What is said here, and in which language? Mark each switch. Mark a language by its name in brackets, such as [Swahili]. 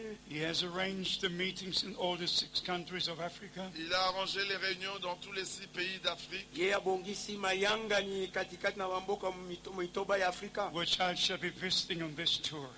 [English] He has arranged the meetings in all the six countries of Africa. [French] Il a arrangé les réunions dans tous les six pays d'Afrique. [English] Which I shall be visiting on this tour.